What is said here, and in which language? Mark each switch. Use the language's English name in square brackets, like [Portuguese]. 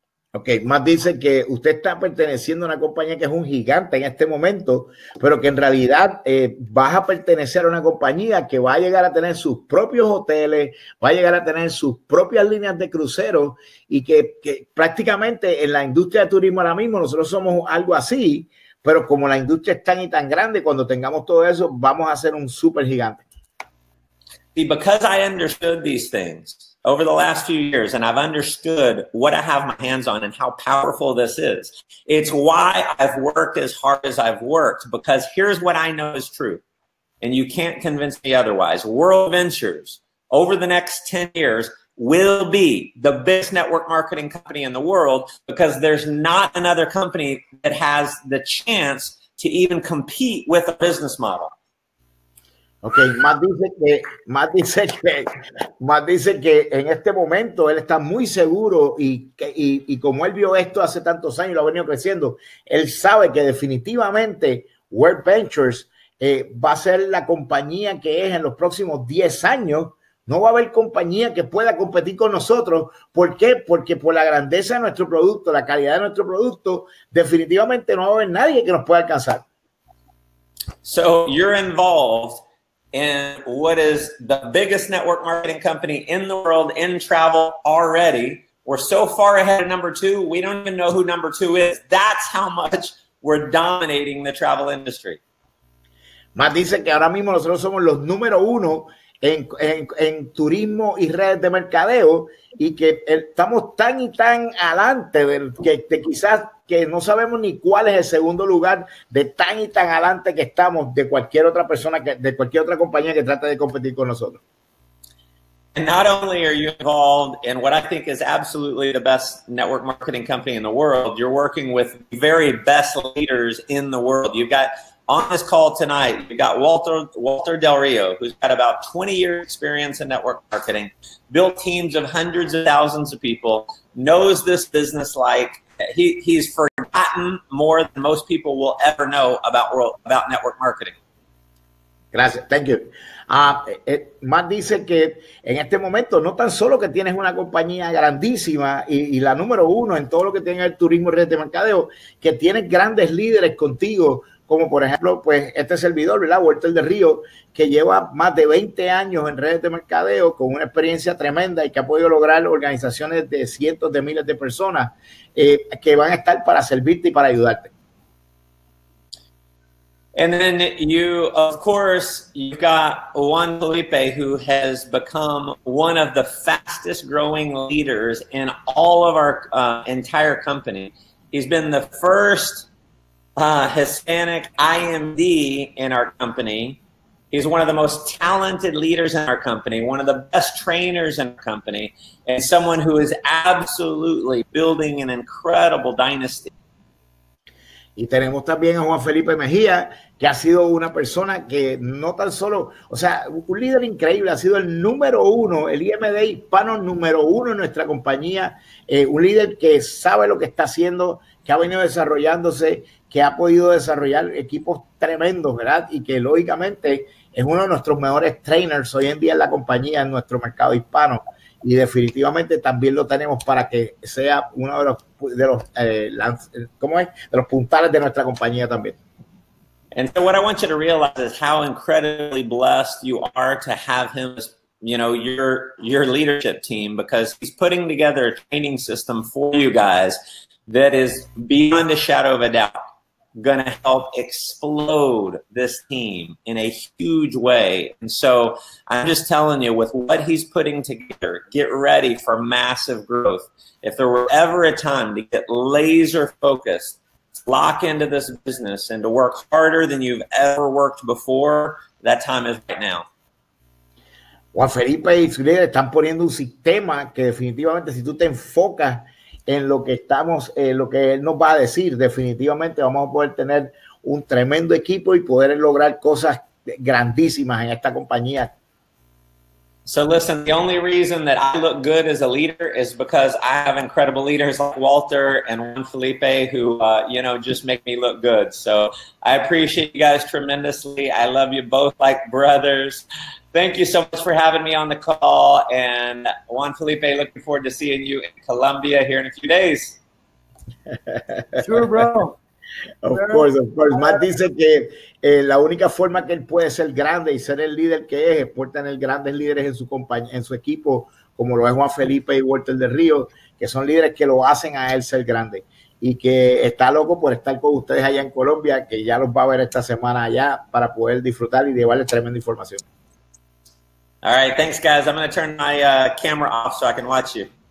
[Spanish] Okay, Matt dice que usted está perteneciendo a una compañía que es un gigante en este momento, pero que en realidad vas a pertenecer a una compañía que va a llegar a tener sus propios hoteles, va a llegar a tener sus propias líneas de crucero y que prácticamente en la industria de turismo ahora mismo nosotros somos algo así, pero como la industria es tan y tan grande, cuando tengamos todo eso, vamos a ser un super gigante. [English] See, because I understood these things over the last few years, and I've understood what I have my hands on and how powerful this is, it's why I've worked as hard as I've worked, because here's what I know is true, and you can't convince me otherwise. World Ventures, over the next 10 years, will be the best network marketing company in the world, because there's not another company that has the chance to even compete with a business model. [Spanish] Okay, Matt dice que en este momento él está muy seguro y como él vio esto hace tantos años y lo ha venido creciendo, él sabe que definitivamente World Ventures va a ser la compañía que es en los próximos 10 años. No va a haber compañía que pueda competir con nosotros. ¿Por qué? Porque por la grandeza de nuestro producto, la calidad de nuestro producto, definitivamente no va a haber nadie que nos pueda alcanzar. [English] So you're involved in what is the biggest network marketing company in the world in travel already. We're so far ahead of number two, we don't even know who number two is. That's how much we're dominating the travel industry. [Spanish] Matt dice que ahora mismo nosotros somos los número uno en turismo y redes de mercadeo y que estamos tan y tan adelante que quizás que no sabemos ni cuál es el segundo lugar de tan y tan adelante que estamos de cualquier otra persona, de cualquier otra compañía que trate de competir con nosotros. [English] And not only are you involved in what I think is absolutely the best network marketing company in the world, you're working with very best leaders in the world. You've got on this call tonight, you got Walter Del Rio, who's got about 20 years experience in network marketing, built teams of hundreds of thousands of people, knows this business like he's forgotten more than most people will ever know about network marketing. [Spanish] Gracias, [English] thank you. [Spanish] Matt dice que en este momento no tan solo que tienes una compañía grandísima y la número uno en todo lo que tiene el turismo y redes de mercadeo, que tienes grandes líderes contigo, como por ejemplo, pues este servidor, ¿verdad? Walter Del Rio, que lleva más de 20 años en redes de mercadeo con una experiencia tremenda y que ha podido lograr organizaciones de cientos de miles de personas que van a estar para servirte y para ayudarte. [English] And then you, of course, you've got Juan Felipe, who has become one of the fastest growing leaders in all of our entire company. He's been the first Hispanic IMD in our company. He's one of the most talented leaders in our company, one of the best trainers in our company, and someone who is absolutely building an incredible dynasty. [Spanish] Y tenemos también a Juan Felipe Mejía, que ha sido una persona que no tan solo, o sea, un líder increíble, ha sido el número uno, el IMD hispano número uno en nuestra compañía, un líder que sabe lo que está haciendo, que ha venido desarrollándose, que ha podido desarrollar equipos tremendos, ¿verdad? Y que lógicamente es uno de nuestros mejores trainers hoy en día en la compañía, en nuestro mercado hispano. Y definitivamente también lo tenemos para que sea uno de los puntales de nuestra compañía también. [English] And so what I want you to realize is how incredibly blessed you are to have him as, you know, your leadership team, because he's putting together a training system for you guys that is beyond a shadow of a doubt gonna help explode this team in a huge way. And so I'm just telling you, with what he's putting together, get ready for massive growth. If there were ever a time to get laser focused, lock into this business and to work harder than you've ever worked before, that time is right now. Juan Felipe y su líder están poniendo un sistema que definitivamente si tú te enfocas en lo que estamos, en lo que él nos va a decir, definitivamente vamos a poder tener un tremendo equipo y poder lograr cosas grandísimas en esta compañía. So listen, the only reason that I look good as a leader is because I have incredible leaders like Walter and Juan Felipe who, you know, just make me look good. So I appreciate you guys tremendously. I love you both like brothers. Thank you so much for having me on the call. And Juan Felipe, looking forward to seeing you in Colombia here in a few days. Sure, bro. Of course. [Spanish] Matt dice que la única forma que él puede ser grande y ser el líder que es por tener grandes líderes en su compañía, en su equipo, como lo es Juan Felipe y Walter de Río, que son líderes que lo hacen a él ser grande. Y que está loco por estar con ustedes allá en Colombia, que ya los va a ver esta semana allá para poder disfrutar y llevarles tremenda información. [English] All right, thanks guys. I'm going to turn my camera off so I can watch you.